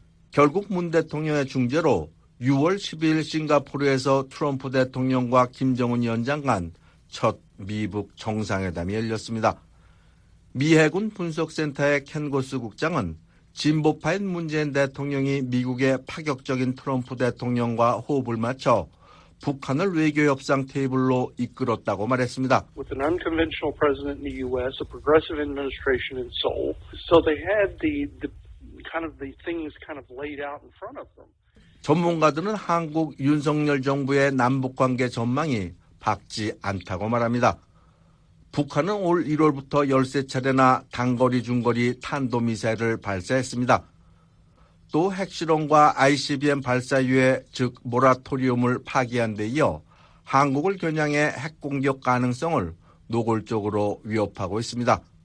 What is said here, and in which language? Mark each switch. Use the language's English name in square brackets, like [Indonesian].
[Korean] 결국 문 대통령의 중재로 6월 12일 싱가포르에서 트럼프 대통령과 김정은 위원장 간 첫 미북 정상회담이 열렸습니다. 미 해군 분석센터의 켄 고스 국장은 진보파인 문재인 대통령이 미국의 파격적인 트럼프 대통령과 호흡을 맞춰 북한을 외교협상 테이블로 이끌었다고 말했습니다. [English] With an unconventional president in the U.S., a progressive administration in Seoul, so they had the kind of the things kind of laid out in front of them. [Korean] 전문가들은 한국 윤석열 정부의 남북관계 전망이 밝지 않다고 말합니다. 북한은 올 1월부터 13차례나 단거리 중거리 탄도미사일을 발사했습니다. 또 핵실험과 ICBM 발사유예 즉 모라토리움을 파기한 데 이어 한국을 겨냥해 핵공격 가능성을 노골적으로 위협하고 있습니다.